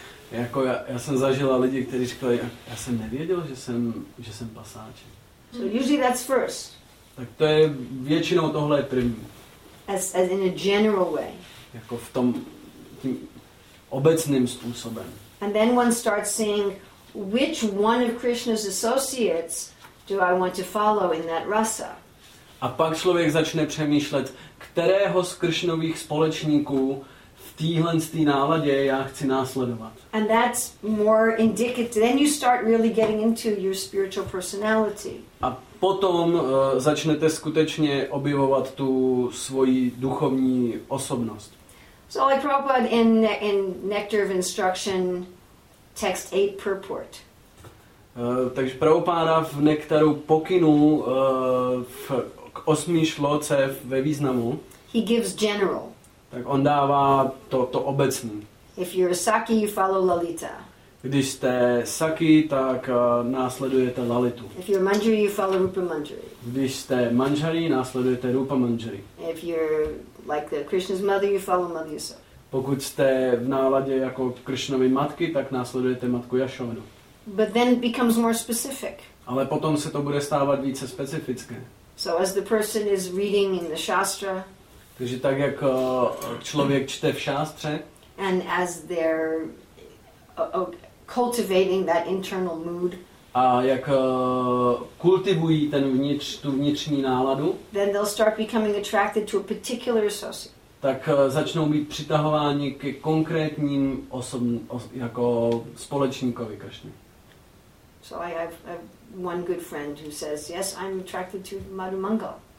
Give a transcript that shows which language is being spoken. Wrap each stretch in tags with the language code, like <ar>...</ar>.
<cs>Jako já jsem zažila lidi, kteří říkali, já jsem nevěděl, že jsem pasáček.</cs> <en>So usually that's first.</en> <cs>Tak to je většinou tohle je první.</cs> <en>As in a general way.</en> <cs>Jako v tom tím obecným způsobem.</cs> <en>And then one starts seeing which one of Krishna's associates do I want to follow in that rasa.</en> <cs>A pak člověk začne přemýšlet, kterého z Krishnových společníků v téhle náladě já chci následovat.</cs> <en>And that's more indicative. Then you start really getting into your spiritual personality.</en> <cs>A potom začnete skutečně objevovat tu svoji duchovní osobnost.</cs> <en>So like Prabhupada in Nectar of Instruction, text 8 purport.</en> <cs>Takže Prabhupada v Nektaru pokynu k osmý šloce ve významu.</cs> <en>He gives general.</en> <cs>Tak on dává to obecný.</cs> <en>If you're a Saki, you follow Lalita.</en> <cs>Když jste Saki, tak následujete Lalitu.</cs> <en>If you're Manjari, you follow Rupa Manjari.</en> <cs>Když jste Manjari, následujete Rupa Manjari.</cs> <en>If you're like the Krishna's mother, you follow Mother Yashoda.</en> <cs>Pokud jste v náladě jako Krishnovy matky, tak následujete matku Yashodu.</cs> <en>But then it becomes more specific.</en> <cs>Ale potom se to bude stávat více specifické.</cs> <en>So as the person is reading in the Shastra.</en> <cs>Takže tak jak člověk čte v Shastře.</cs> <en>And as they're cultivating that internal mood.</en> <cs>A jak kultivují tu vnitřní náladu.</cs> <en>Then they'll start becoming attracted to a particular associate.</en> <cs>Tak začnou být přitahováni ke konkrétním jako společníkovi Krishna.</cs> <en>So I have one good friend who says, yes, I'm attracted to Madhu Mangal.</en>